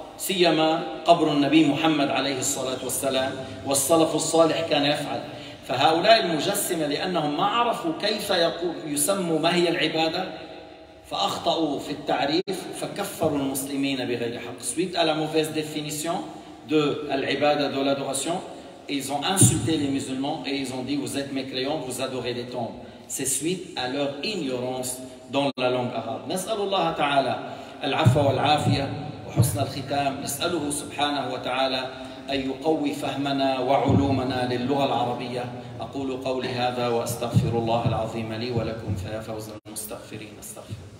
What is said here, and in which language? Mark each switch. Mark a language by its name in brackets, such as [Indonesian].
[Arabic] سيما قبر النبي محمد عليه الصلاة والسلام والسلف الصالح كان يفعل. فهؤلاء المجسمة لأنهم ما عرفوا كيف يسموا ما هي العبادة فأخطأوا في التعريف فكفروا المسلمين بغير حق. [French] Suite à la mauvaise définition de العبادة de l'adoration, ils ont insulté les musulmans et ils ont dit vous êtes mécréants, vous adorez les tombes. C'est suite à leur ignorance dans la langue arabe. [Arabic] نسأل الله تعالى العفو والعافية حسن الختام. نسأله سبحانه وتعالى أن يقوي فهمنا وعلومنا للغة العربية. أقول قولي هذا وأستغفر الله العظيم لي ولكم فيا فوز المستغفرين. أستغفر.